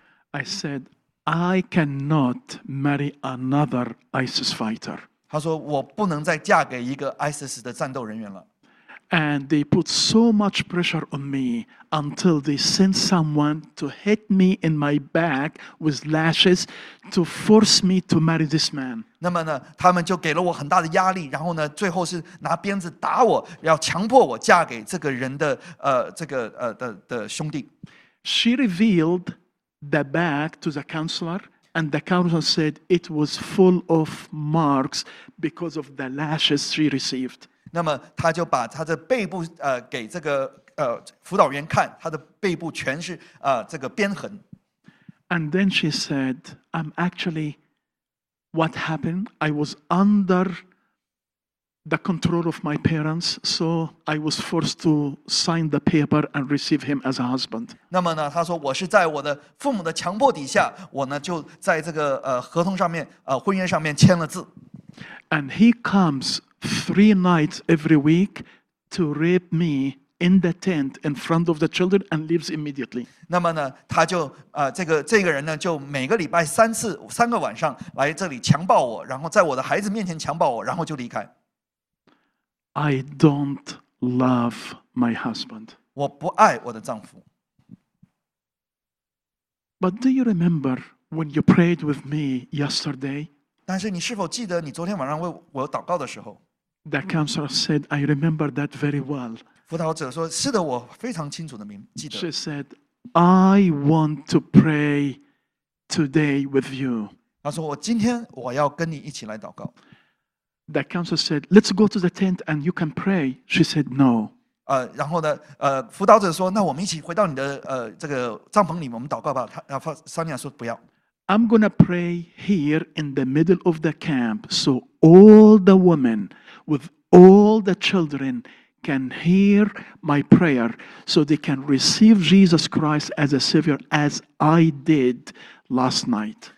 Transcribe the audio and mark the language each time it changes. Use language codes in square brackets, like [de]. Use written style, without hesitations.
[en] I said I cannot marry another ISIS fighter. [zh] 他说我不能再嫁给一个 ISIS 的战斗人员了。 [en] And they put so much pressure on me until they sent someone to hit me in my back with lashes to force me to marry this man. [zh] 那么呢，他们就给了我很大的压力，然后呢，最后是拿鞭子打我，要强迫我嫁给这个人的这个的兄弟。 [en] She revealed the bag to the counselor, and the counselor said it was full of marks because of the lashes she received. [zh] 那么他就把他的背部给这个辅导员看，他的背部全是这个鞭痕。 [en] And then she said, "I'm actually what happened. I was under the control of my parents, so I was forced to sign the paper and receive him as a husband." [zh] 那么呢，他说我是在我的父母的强迫底下，我呢就在这个合同上面婚约上面签了字。 [en] And he comes three nights every week to rape me. In the tent in front of the children and leaves immediately. [zh] 那么呢，他就这个人呢，就每个礼拜三个晚上来这里强暴我，然后在我的孩子面前强暴我，然后就离开。 [en] I don't love my husband. [zh] 我不爱我的丈夫。 [en] But do you remember when you prayed with me yesterday? [zh] 但是你是否记得你昨天晚上为我祷告的时候 [en] ？The counselor said, "I remember that very well." [zh] 辅导者说：“是的，我非常清楚的明记得。” [en] She said, "I want to pray today with you." [zh] 他说：“我今天我要跟你一起来祷告。” [en] The counselor said, "Let's go to the tent and you can pray." She said, "No." [zh] 然后呢？辅导者说：“那我们一起回到你的这个帐篷里面，我们祷告吧。” 桑尼亚说：“不要。” [en] I'm gonna pray here in the middle of the camp, so all the women with all the children. Can hear my prayer, so they can receive Jesus Christ as a Savior, as I did last night.